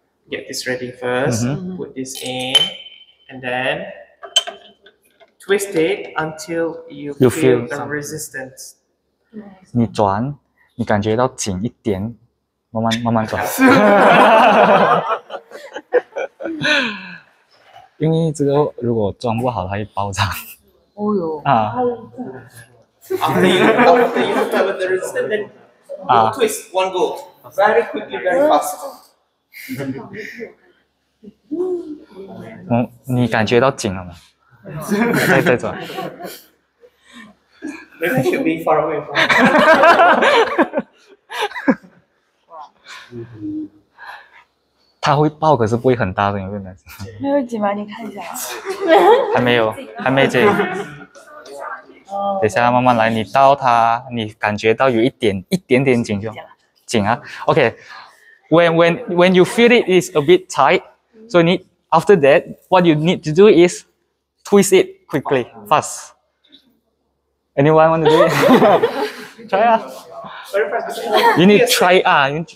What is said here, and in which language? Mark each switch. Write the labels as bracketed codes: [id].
[en] Get this ready first, put this in, and then twist it until you feel the resistance. [zh] 你转，你感觉到紧一点，慢慢转。因为这个如果装不好，它会爆炸。哦哟。啊。 [en] After you have the resistance, then twist one go. Very quickly, very [zh] fast. 你感觉到紧了吗？再转。 [en] it. [zh] 它会爆，可是不会很大的，有没有？没有紧吗？你看一下。还没有，还没紧。等一下，慢慢来。你到它，你感觉到有一点点紧就紧啊。 [en] Okay, when you feel it is a bit tight, so you need, after that, what you need to do is twist it quickly, fast. Anyone want to do it? Try 啊。You need try 啊。